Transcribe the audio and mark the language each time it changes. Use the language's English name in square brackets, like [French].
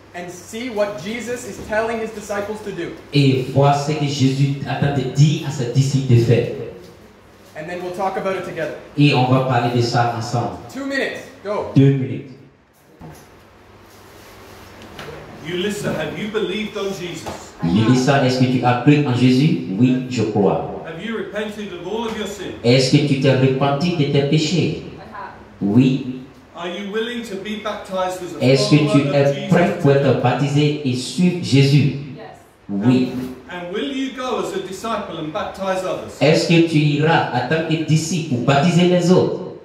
[English] And see what Jesus is telling his disciples to do. [French] Et voir ce que Jésus attend de dire à ses disciples de faire. [English] And then we'll talk about it together. [French] Et on va parler de ça ensemble. [English] 2 minutes, go. 2 minutes. Yulissa, have you believed on Jesus? [French] Yulissa, est-ce que tu as cru en Jésus? Oui, je crois. [English] Have you repented of all of your sins? [French] Est-ce que tu t'es repenti de tes péchés? Oui. [English] Are you willing to be baptized as a [French] est-ce [English] follower [French] que tu es prêt pour être baptisé et suivre Jésus? [English] Yes. [French] Oui. [English] And will you go as a disciple and baptize others? [French] Est-ce que tu iras en tant que disciple pour baptiser les autres?